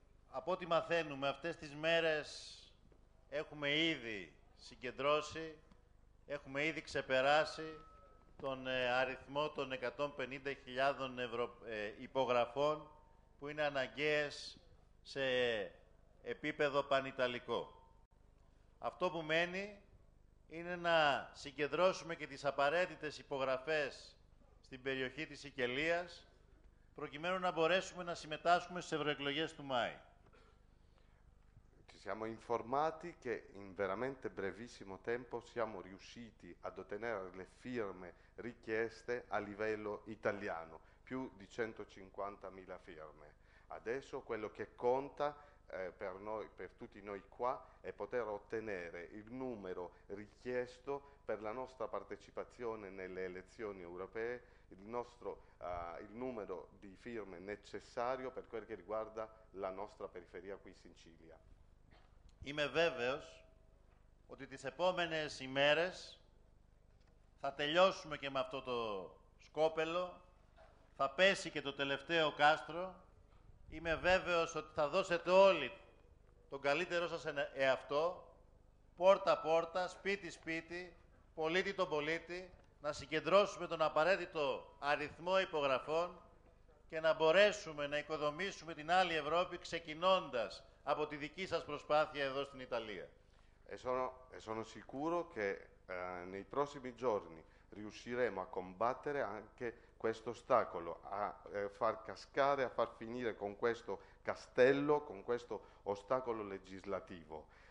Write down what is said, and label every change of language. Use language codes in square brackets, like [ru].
[el] Από ό,τι μαθαίνουμε αυτές τις μέρες έχουμε ήδη συγκεντρώσει, έχουμε ήδη ξεπεράσει τον αριθμό των 150.000 υπογραφών που είναι αναγκαίες σε επίπεδο πανιταλικό. Αυτό που μένει είναι να συγκεντρώσουμε και τις απαραίτητες υπογραφές στην περιοχή της Σικελίας, προκειμένου να μπορέσουμε να συμμετάσχουμε στις ευρωεκλογές του Μάη. [it] Ci siamo informati che in veramente brevissimo tempo siamo riusciti ad ottenere le firme richieste a livello italiano, più di 150.000 firme. Adesso quello che conta per noi, per tutti noi qua, è poter ottenere il numero richiesto per la nostra partecipazione nelle elezioni europee, il numero di firme necessario per quel che riguarda la nostra periferia qui in Sicilia. [el] Είμαι βέβαιος ότι τις επόμενες ημέρες θα τελειώσουμε και με αυτό το σκόπελο, θα πέσει και το τελευταίο κάστρο. Είμαι βέβαιος ότι θα δώσετε όλοι τον καλύτερό σας εαυτό, πόρτα-πόρτα, σπίτι-σπίτι, πολίτη-τον-πολίτη, να συγκεντρώσουμε τον απαραίτητο αριθμό υπογραφών και να μπορέσουμε να οικοδομήσουμε την άλλη Ευρώπη ξεκινώντας από τη δική σας προσπάθεια εδώ στην Ιταλία. [it] Sono sicuro che nei prossimi giorni riusciremo a combattere anche questo ostacolo, a far cascare, a far finire con questo castello, con questo ostacolo legislativo.